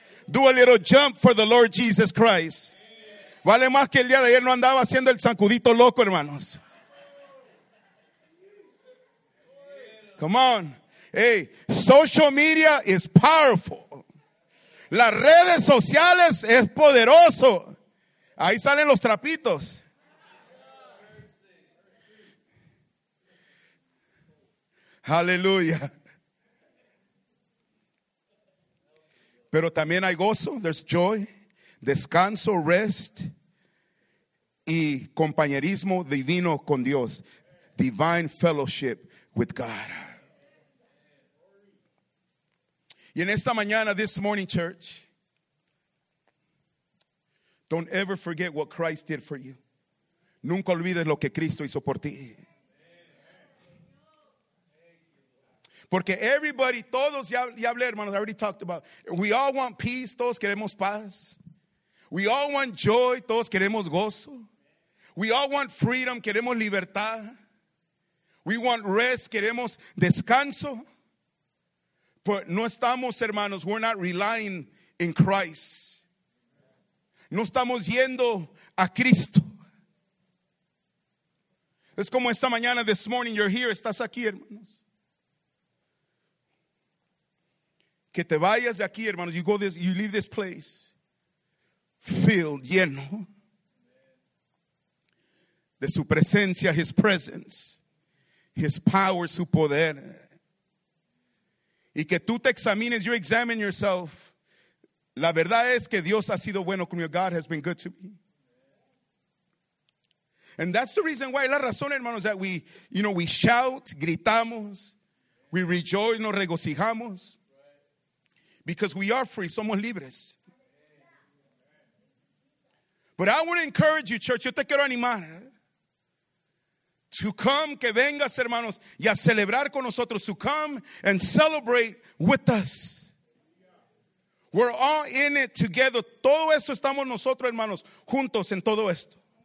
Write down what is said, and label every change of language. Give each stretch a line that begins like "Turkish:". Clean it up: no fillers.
English: Do a little jump for the Lord Jesus Christ.
Spanish: Vale más que el día de ayer no andaba haciendo el zancudito loco, hermanos.
English: Come on. Hey, social media is powerful.
Spanish: Las redes sociales es poderoso. Ahí salen los trapitos. Hallelujah. Pero también hay gozo.
English: There's joy.
Spanish: Descanso, rest. Y compañerismo divino con Dios.
English: Divine fellowship with God.
Spanish: Y en esta mañana,
English: this morning, church, don't ever forget what Christ did for you.
Spanish: Nunca olvides lo que Cristo hizo por ti.
English: Porque everybody,
Spanish: todos, ya hablé, hermanos,
English: I already talked about, we all want peace,
Spanish: todos queremos paz.
English: We all want joy,
Spanish: todos queremos gozo.
English: We all want freedom,
Spanish: queremos libertad.
English: We want rest,
Spanish: queremos descanso.
English: But
Spanish: no estamos, hermanos,
English: we're not relying in Christ.
Spanish: No estamos yendo a Cristo. Es como esta mañana,
English: this morning, you're here,
Spanish: estás aquí, hermanos. Que te vayas de aquí, hermanos.
English: You go this, you leave this place filled,
Spanish: lleno de su presencia,
English: his presence, his power,
Spanish: su poder. Y que tú te examines,
English: you examine yourself.
Spanish: La verdad es que Dios ha sido bueno conmigo.
English: God has been good to me. And that's the reason why,
Spanish: la razón, hermanos,
English: that we, you know, we shout,
Spanish: gritamos,
English: we rejoice,
Spanish: nos regocijamos.
English: Because we are free,
Spanish: somos libres.
English: But I want to encourage you, church,
Spanish: yo te quiero animar.
English: To come,
Spanish: que vengas, hermanos, y a celebrar con nosotros.
English: To come and celebrate with us. We're all in it together.
Spanish: Todo esto estamos nosotros, hermanos, juntos en todo esto.